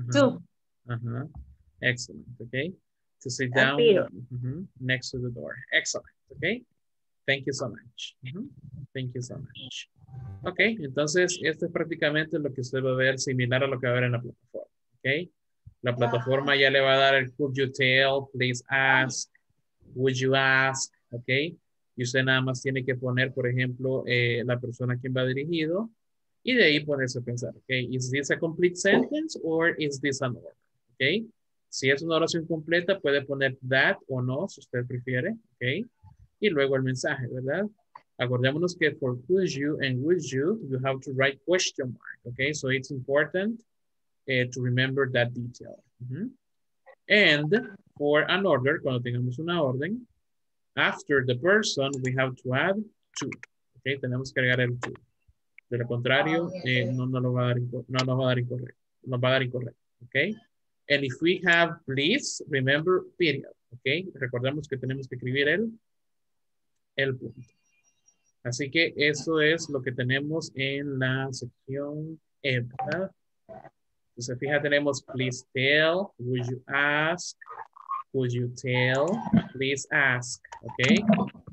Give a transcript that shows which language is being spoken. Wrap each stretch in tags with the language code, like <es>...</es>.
<en>to. Uh-huh. Excellent. Okay. To sit down uh-huh. next to the door. Excellent. Okay. Thank you so much. Uh-huh. Thank you so much. Okay.</en> <es>Entonces, esto es prácticamente lo que usted va a ver similar a lo que va a ver en la plataforma. Okay. La plataforma ya le va a dar el could you tell, please ask, would you ask. Ok, y usted nada más tiene que poner, por ejemplo, la persona a quien va dirigido y de ahí ponerse a pensar, ok,</es> <en>is this a complete sentence or is this an order,</en> <es>ok, si es una oración completa puede poner that o no, si usted prefiere, ok, y luego el mensaje, ¿verdad? Acordémonos que</es> <en>for could you and would you, you have to write question mark. Okay, so it's important to remember that detail. And for an order,</en> <es>cuando tengamos una orden,</es> <en>after the person, we have to add to.</en> <es>Okay, tenemos que agregar el to. De lo contrario, no nos va a dar incorrecto.</es> <en>Okay, and if we have please, remember period.</en> <es>Okay, recordemos que tenemos que escribir el punto. Así que eso es lo que tenemos en la sección E, ¿verdad? Entonces, fíjate, tenemos please tell, would you ask, would you tell, please ask, ¿ok?</es>